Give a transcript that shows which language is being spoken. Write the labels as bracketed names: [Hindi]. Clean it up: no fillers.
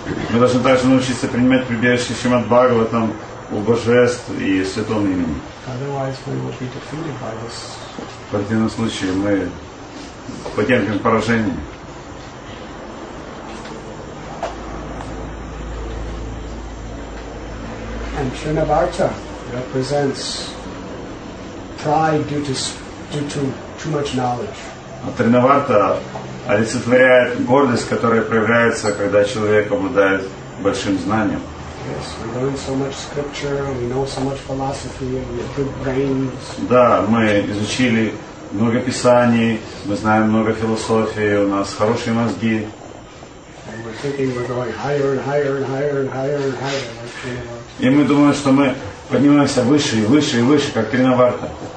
[Russian] Мы должны также научиться принимать прибежище Шримад Бхагаватам у божеств и святого имени. В противном случае мы потерпим поражение. [English] And Srinivarta represents pride due to too much knowledge. [Russian] А Тринаварта олицетворяет гордость, которая проявляется, когда человек обладает большим знанием. [English] Yes, we learn so much scripture, we know so much philosophy, we have good brains. [Russian] Да, мы изучили много писаний, мы знаем много философии, у нас хорошие мозги. [English] And we're thinking we're going higher and higher and higher and higher and higher. [Russian] И мы думаем, что мы поднимаемся выше и выше и выше, как Тринаварта.